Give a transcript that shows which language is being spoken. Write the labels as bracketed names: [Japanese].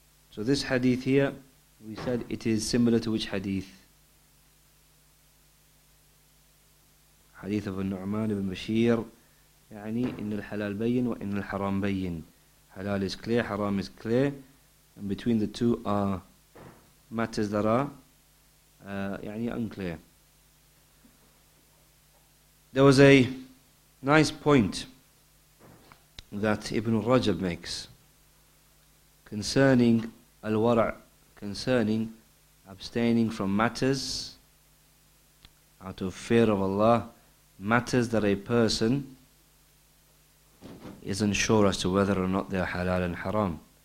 [English] So this hadith here, we said it is similar to which hadith? Hadith of [Arabic] النعمان بن بشير يعني إن الحلال بين وإن الحرام بين. [English] Halal is clear, haram is clear, and between the two are matters that are unclear. There was a nice point that Ibn Rajab makes concerning al-wara', concerning abstaining from matters out of fear of Allah, matters that a person is unsure as to whether or not they are halal and haram.